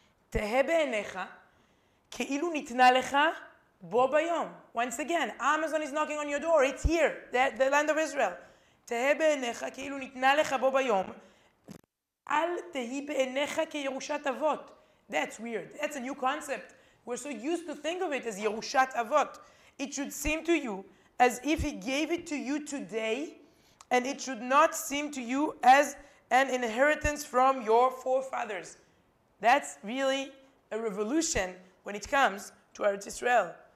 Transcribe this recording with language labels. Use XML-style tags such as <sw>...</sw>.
<he>תהה בעיניך כאילו ניתנה לך בו ביום.</he> <en>Once again, Amazon is knocking on your door. It's here, the land of Israel.</en> <he>תהה בעיניך כאילו ניתנה לך בו ביום. אל תהי בעיניך כירושת אבות.</he> <en>That's weird. That's a new concept. We're so used to think of it as Yerushat Avot. It should seem to you as if he gave it to you today, and it should not seem to you as an inheritance from your forefathers. That's really a revolution when it comes to Eretz Israel.</en>